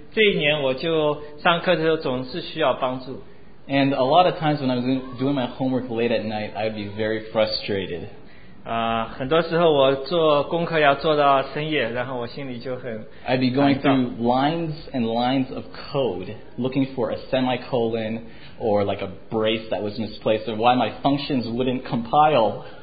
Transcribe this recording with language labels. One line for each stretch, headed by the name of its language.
Chinese: 以前我总是一个好学生，但是这一年我就上课的时候总是需要帮助。
English: And a lot of times when I was doing my homework late at night, I'd be very frustrated.
Chinese: 很多时候我做功课要做到深夜，然后我心里就很
English: I'd be going through lines and lines of code, looking for a semicolon or like a brace that was misplaced or why my functions wouldn't compile.